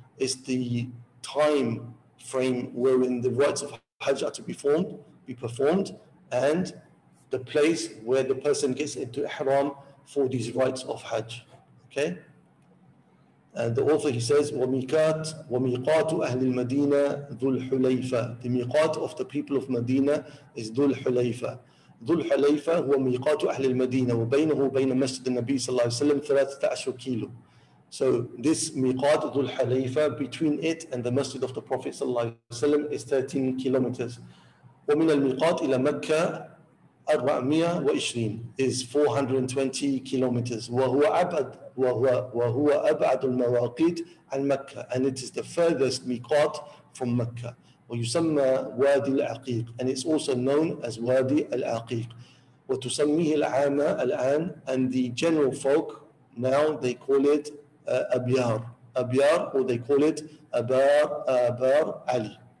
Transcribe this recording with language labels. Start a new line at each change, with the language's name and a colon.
English: It's the time frame wherein the rites of Hajj are to be performed, and the place where the person gets into ihram for these rites of Hajj. Okay? And the author, he says,
Arabic: وَمِيقَاتُ أَهْلِ الْمَدِينَةِ ذُو الْحُلَيْفَةِ,
English: the miqat of the people of Medina is
Arabic: ذُو الْحُلَيْفَةِ. ذُو الْحُلَيْفَةِ هُوَ مِيقَاتُ أَهْلِ الْمَدِينَةِ وَبَيْنَهُ بَيْنَ مَسْجِدِ النَّبِيِّ صَلَّى اللَّهِ عَلَيْهِ وَسَلَّمْ 13 كِيلُ.
English: So this miqat, ذُو الْحُلَيْفَةِ, between it and the masjid of the Prophet صلى الله عليه وسلم is 13 kilometers.
Arabic: وَمِنَ الْمِيقَاتِ إِلَى مَكَّةِ 420
English: is 420 kilometers.
Arabic: وَهُوَ أَبْعَدْ وَهُوَ أَبْعَدُ الْمَوَاقِيتِ عَنْ مَكَّةِ,
English: and it is the furthest miqat from Mecca.
Arabic: وَيُسَمَّى وَادِي الْعَقِيقِ,
English: and it's also known as Wadi al-Aqiq.
Arabic: وَتُسَمِّيهِ الْعَامَ الْآنِ,
English: and the general folk, now they call it Abyar, or they call it Abar Ali.